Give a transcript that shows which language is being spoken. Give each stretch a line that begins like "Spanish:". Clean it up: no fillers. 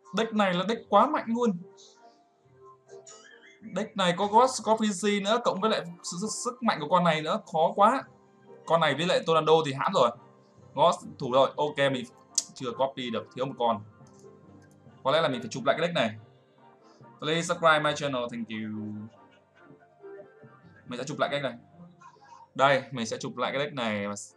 Vietnamese: Deck này là deck quá mạnh luôn. Deck này có Ghost, có PC nữa, cộng với lại sức mạnh của con này nữa, khó quá. Con này với lại Tornado thì hãm rồi. Ghost thủ rồi. Ok, mình chưa copy được, thiếu một con. Có lẽ là mình phải chụp lại cái deck này.
English: Please subscribe my channel, thank you.
Vietnamese: Mình sẽ chụp lại cái này. Đây, mình sẽ chụp lại cái deck này.